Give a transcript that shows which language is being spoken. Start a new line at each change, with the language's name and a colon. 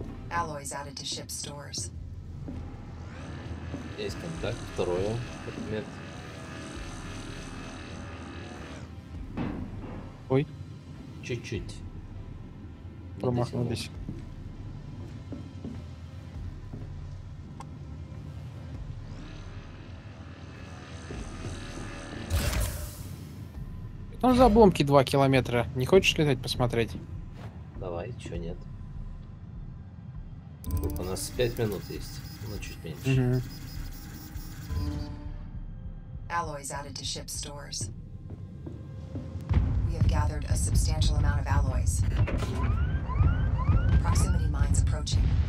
English: alloys added to ship stores.
Russian: Есть контакт, второе, предмет. Ой. Чуть-чуть. Промахнулись. Ну, за обломки 2 километра. Не хочешь летать посмотреть? Давай, чё нет. У нас 5 минут есть, ну чуть меньше.
English: Alloys added to ship stores. We have gathered a substantial amount of alloys. Proximity mines approaching.